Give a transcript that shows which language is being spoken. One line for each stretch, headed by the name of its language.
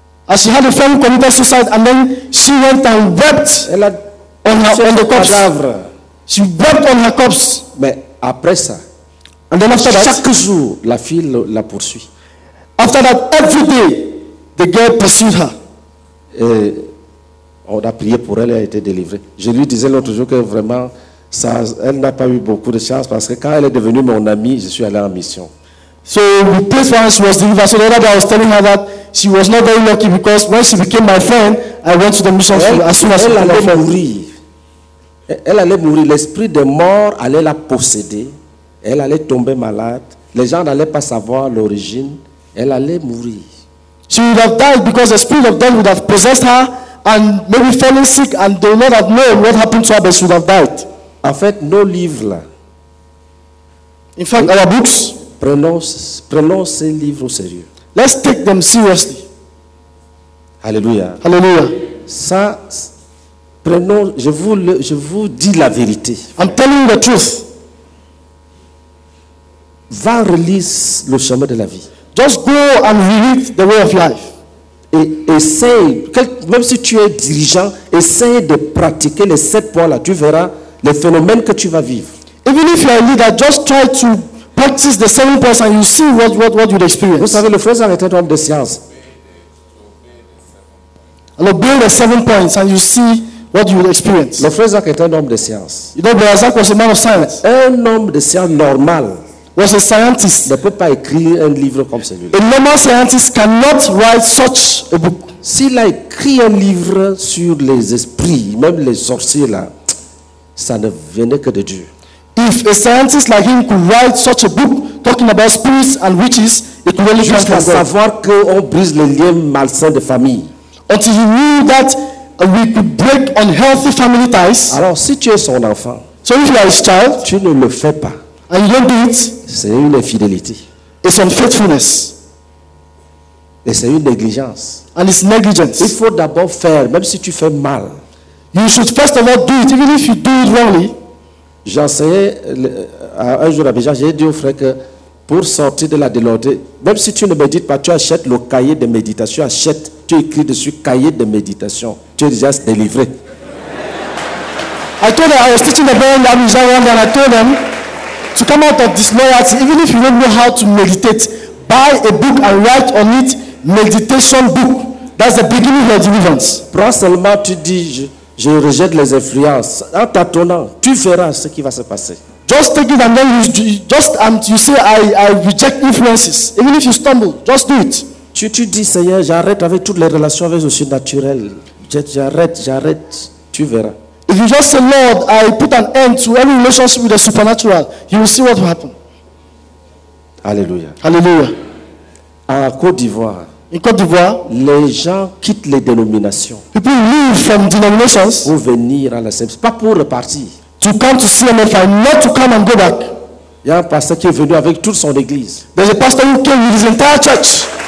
English: As she had a friend who committed suicide, and then she went and wept.
French: Elle a
English: on the corpse. She wept on her corpse.
French: Mais après ça,
English: and then after
French: chaque jour, la fille la poursuit.
English: After that, every day, the girl pursued her.
French: Et on a prié pour elle et elle a été délivrée. Je lui disais l'autre jour que vraiment. Ça, elle n'a pas eu beaucoup de chance parce que quand elle est devenue mon amie, je suis allé en mission.
English: So we prayed for her, she was delivered. So the other day I was telling her that she was not very lucky because when she became my friend, I went to the mission
French: elle,
English: as soon as
French: elle allait mourir. Elle allait mourir. L'esprit de mort allait la posséder. Elle allait tomber malade. Les gens n'allaient pas savoir l'origine. Elle allait mourir.
English: She would have died because the spirit of death would have possessed her and maybe falling sick and they would not have known what happened to her, but she would have died.
French: En fait, nos livres là.
English: In fact, our books.
French: Prenons ces livres au sérieux.
English: Let's take them seriously.
French: Alléluia. Alléluia. Ça, prenons. Je vous dis la vérité.
English: I'm telling the truth.
French: Va relire Le Chemin de la Vie.
English: Just go and read The Way of Life.
French: Et essaye, même si tu es dirigeant, essaye de pratiquer les 7 points là. Tu verras. Les phénomènes que tu vas vivre.
English: Even if you are a leader, just try to practice the same points and you see what you'll experience.
French: Vous savez, le frère est un homme de science.
English: And obey the 7 points and you see What you experience.
French: Le frère Zach est un homme de science.
English: You know, brother Zach was a man of science.
French: Un homme de science normal.
English: Was a scientist.
French: Ne peut pas écrire un livre comme celui-là.
English: A normal scientist cannot write such a book.
French: S'il a écrit un livre sur les esprits, même les sorciers là, ça ne venait que de Dieu.
English: If a scientist like him could write such a book talking about spirits and witches, it would only come from God.
French: Savoir qu'on brise les liens malsains de famille.
English: Until he knew that we could break unhealthy family ties.
French: Alors, si tu es son enfant,
English: so if you are his child,
French: tu ne le fais pas.
English: And you don't do it.
French: C'est une infidélité.
English: It's unfaithfulness.
French: Et c'est une négligence.
English: And it's negligence.
French: Il faut d'abord faire, même si tu fais mal.
English: You should first of all do it, even if you do it wrongly.
French: J'enseignais un jour à Béja, j'ai dit au frère que pour sortir de la déloyauté, même si tu ne médites pas, tu achètes le cahier de méditation, achètes, tu écris dessus cahier de méditation, tu es déjà délivré.
English: I told them, I was teaching the boy that Béja one day, and I told them to come out of disloyalty, even if you don't know how to meditate, buy a book and write on it, meditation book. That's the beginning of your deliverance.
French: Prends seulement, tu dis, je rejette les influences. En t'attendant, tu verras ce qui va se passer.
English: Just take it and then you say I reject influences. Even if you stumble, just do it.
French: Tu dis, Seigneur, j'arrête avec toutes les relations avec le surnaturel. J'arrête. Tu verras.
English: If you just say, Lord, I put an end to any relationship with the supernatural, you will see what will happen.
French: Alléluia. Alléluia. En Côte d'Ivoire.
English: In Côte d'Ivoire,
French: les gens quittent les dénominations.
English: People leave from denominations.
French: Pour venir à la CMC, pas pour repartir.
English: To come to CMFI, not to come and go back.
French: Il y a un pasteur qui est venu avec toute son église.
English: There's a pastor who came with his entire church.